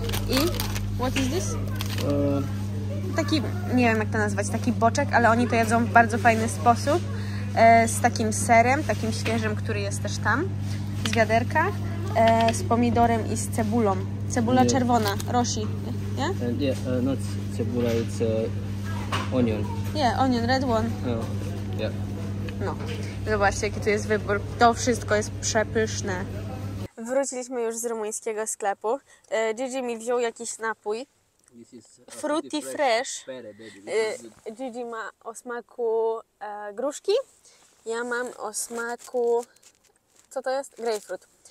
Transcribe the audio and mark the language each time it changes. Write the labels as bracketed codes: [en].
[en] I what is this? [pl] Taki, nie wiem jak to nazwać, taki boczek, ale oni to jedzą w bardzo fajny sposób. Z takim serem, takim świeżym, który jest też tam, z wiaderka, z pomidorem i z cebulą. Cebula czerwona, roshi, nie? Nie, [en] not cebula, it's onion. Yeah, onion, red one. Yeah. [pl] No, zobaczcie jaki tu jest wybór. To wszystko jest przepyszne. Wróciliśmy już z rumuńskiego sklepu. Gigi mi wziął jakiś napój. Fruity Fresh. Gigi ma o smaku gruszki. Ja mam o smaku... Co to jest? Grapefruit.